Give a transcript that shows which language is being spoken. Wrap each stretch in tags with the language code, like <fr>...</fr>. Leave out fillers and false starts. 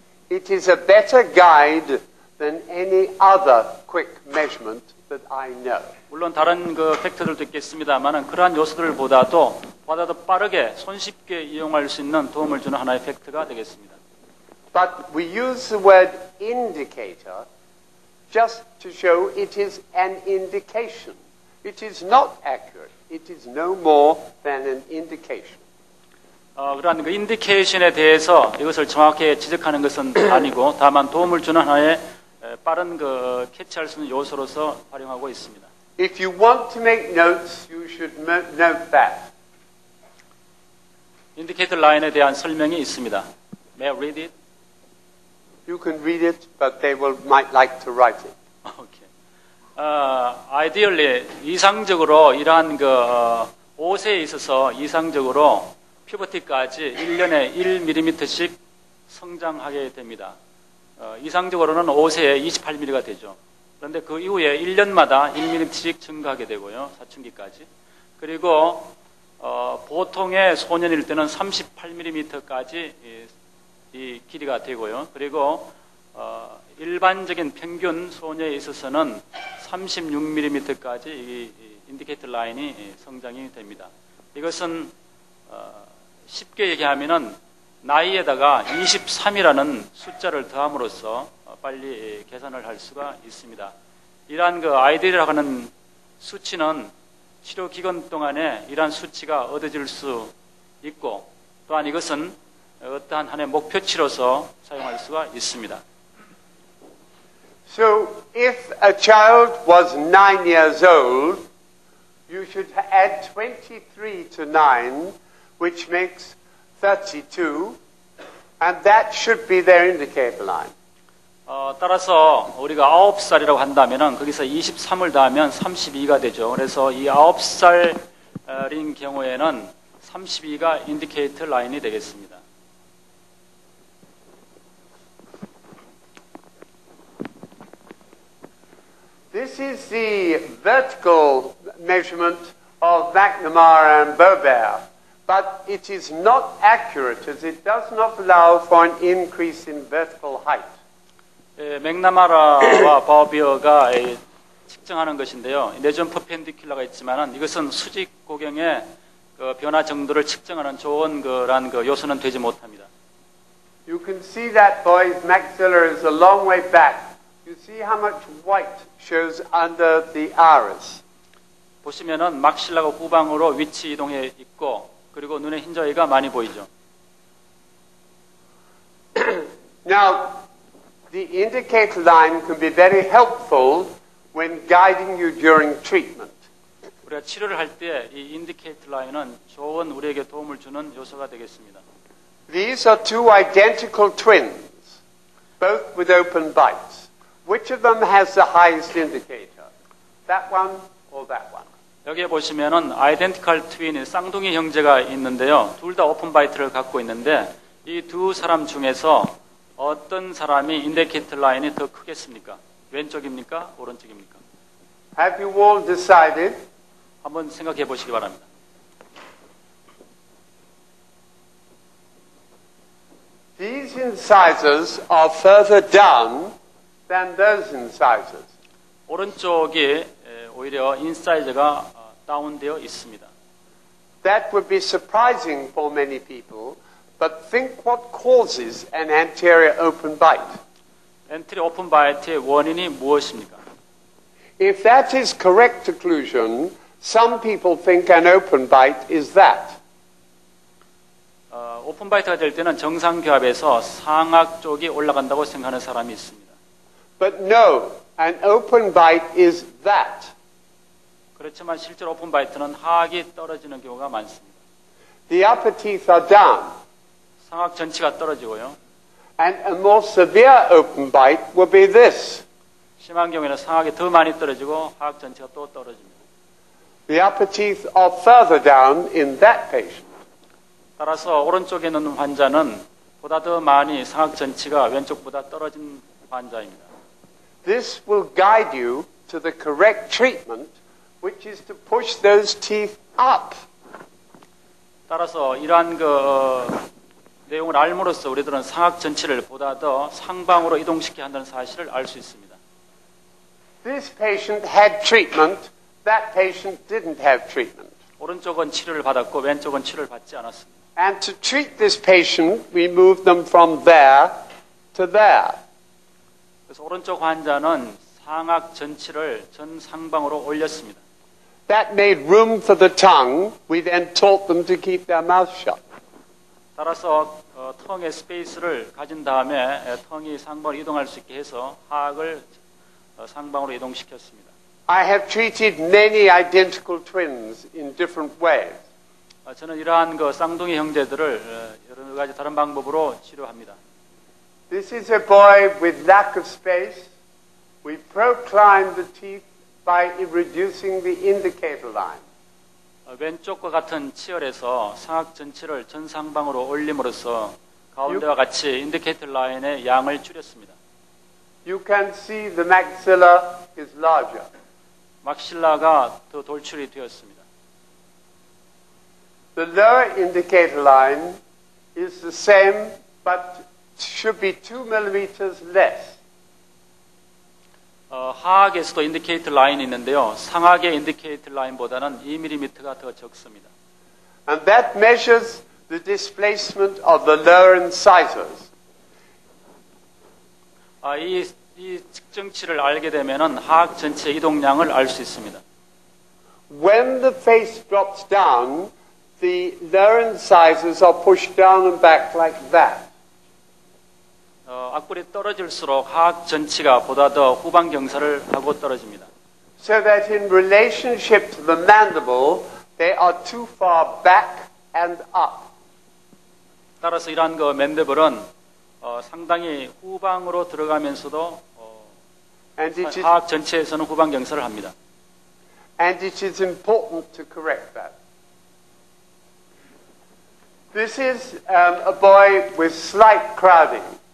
<en>It is a better guide than any other quick measurement that I know.</en> <ko>물론 다른 그 팩터들도 있겠습니다만은 그러한 요소들보다도 보다 더 빠르게 손쉽게 이용할 수 있는 도움을 주는 하나의 팩트가 되겠습니다.</ko> <en>But we use the word indicator just to show it is an indication. It is not accurate. It is no more than an indication.</en> <ko>그러한 그 인디케이션에 대해서 이것을 정확히 지적하는 것은 아니고 다만 도움을 주는 하나의 빠른 그 캐치할 수 있는 요소로서 활용하고 있습니다.</ko> <en>If you want to make notes, you should note that.</en> <ko>인디케이터 라인에 대한 설명이 있습니다.</ko> <en>May I read it? You can read it, but they will might like to write it. Okay.</en> <ko>Ideally, 이상적으로 이러한 그 5세에 있어서 이상적으로 퓨버티까지 1년에 1mm씩 성장하게 됩니다. 이상적으로는 5세에 28mm가 되죠. 그런데 그 이후에 1년마다 1mm씩 증가하게 되고요. 사춘기까지. 그리고 보통의 소년일 때는 38mm까지 이 길이가 되고요. 그리고 일반적인 평균 소녀에 있어서는 36mm까지 이 인디케이터 라인이 성장이 됩니다. 이것은 쉽게 얘기하면은 나이에다가 23이라는 숫자를 더함으로써 빨리 계산을 할 수가 있습니다. 이러한 그 아이들이라고 하는 수치는 치료 기간 동안에 이러한 수치가 얻어질 수 있고 또한 이것은 어떠한 한의 목표치로서 사용할 수가 있습니다.</ko> <en>So if a child was 9 years old, you should add 23 to 9, which makes 32, and that should be their indicator line.</en> <ko>따라서 우리가 9살이라고 한다면은 거기서 23을 더하면 32가 되죠. 그래서 이 9살인 경우에는 32가 인디케이터 라인이 되겠습니다.</ko> <en>This is the vertical measurement of McNamara and Boerbaer, but it is not accurate as it does not allow for an increase in vertical height.</en> <ko>맥나마라와 바오비어가 측정하는 것인데요. 내전 퍼펜디큘러가 있지만은 이것은 수직 고경의 그 변화 정도를 측정하는 좋은 거란 그 요소는 되지 못합니다.</ko> <en>You can see that boy's maxilla is a long way back. You see how much white shows under the iris.</en> <ko>보시면은 막실라가 후방으로 위치 이동해 있고 그리고 눈에 흰자위가 많이 보이죠.</ko> <en>Now the indicator line can be very helpful when guiding you during treatment.</en> <ko>우리가 치료를 할 때 이 인디케이터 라인은 좋은 우리에게 도움을 주는 요소가 되겠습니다.</ko> <en>These are two identical twins, both with open bites. Which of them has the highest indicator? That one or that one?</en> <ko>여기 보시면은 identical twin인 쌍둥이 형제가 있는데요. 둘 다 open bite를 갖고 있는데 이 두 사람 중에서 어떤 사람이 인디케이터 라인이 더 크겠습니까? 왼쪽입니까? 오른쪽입니까?</ko> <en>Have you all decided?</en> <ko>한번 생각해 보시기 바랍니다.</ko> <en>These incisors are further down than those incisors.</en> <ko>오른쪽이 오히려 인사이저가 다운되어 있습니다.</ko> <en>That would be surprising for many people. But think what causes an anterior open bite.</en> <ko>Anterior open bite의 원인이 무엇입니까?</ko> <en>If that is correct occlusion, some people think an open bite is that.</en> <ko>Open bite가 될 때는 정상 교합에서 상악 쪽이 올라간다고 생각하는 사람이 있습니다.</ko> <en>But no, an open bite is that.</en> <ko>그렇지만 실제로 open bite는 하악이 떨어지는 경우가 많습니다.</ko> <en>The upper teeth are down.</en> <ko>상악 전치가 떨어지고요.</ko> <en>And a more severe open bite will be this.</en> <ko>심한 경우에는 상악이 더 많이 떨어지고 하악 전치가 또 떨어집니다.</ko> <en>The upper teeth are further down in that patient.</en> <ko>따라서 오른쪽에 있는 환자는 보다 더 많이 상악 전치가 왼쪽보다 떨어진 환자입니다.</ko> <en>This will guide you to the correct treatment, which is to push those teeth up.</en> <ko>따라서 이러한 그 내용을 알므로써 우리들은 상악 전치를 보다 더 상방으로 이동시켜야 한다는 사실을 알 수 있습니다.</ko> <en>This patient had treatment. That patient didn't have treatment.</en> <ko>오른쪽은 치료를 받았고 왼쪽은 치료를 받지 않았습니다.</ko> <en>And to treat this patient, we moved them from there to there.</en> <ko>그래서 오른쪽 환자는 상악 전치를 전 상방으로 올렸습니다.</ko> <en>That made room for the tongue. We then taught them to keep their mouth shut.</en> <ko>따라서 텅의 스페이스를 가진 다음에 텅이 상방으로 이동할 수 있게 해서 하악을 상방으로 이동시켰습니다.</ko> <en>I have treated many identical twins in different ways.</en> <ko>저는 이러한 그 쌍둥이 형제들을 여러 가지 다른 방법으로 치료합니다.</ko> <en>This is a boy with lack of space. We proclined the teeth by reducing the indicator line.</en> <ko>왼쪽과 같은 치열에서 상악 전치를 전상방으로 올림으로써 가운데와 같이 인디케이터 라인의 양을 줄였습니다.</ko> <en>You can see the maxilla is larger.</en> <ko>막실라가 더 돌출이 되었습니다.</ko> <en>The lower indicator line is the same, but should be 2 millimeters less.</en> <ko>하악에서도 인디케이터 라인이 있는데요. 상악의 인디케이터 라인보다는 2mm가 더 적습니다.</ko> <en>And that measures the displacement of the lower incisors.</en> <ko>이 측정치를 알게 되면은 하악 전체 이동량을 알 수 있습니다.</ko> <en>When the face drops down, the lower incisors are pushed down and back like that.</en> <ko>앞구리 떨어질수록 하악 전치가 보다 더 후방 경사를 하고 떨어집니다.</ko> <en>So that in relationship to the mandible, they are too far back and up.</en> <ko>따라서 이러한 그 맨드블은 상당히 후방으로 들어가면서도 하악 전체에서는 후방 경사를 합니다.</ko> <en>And it is important to correct that. This is a boy with slight crowding.</en>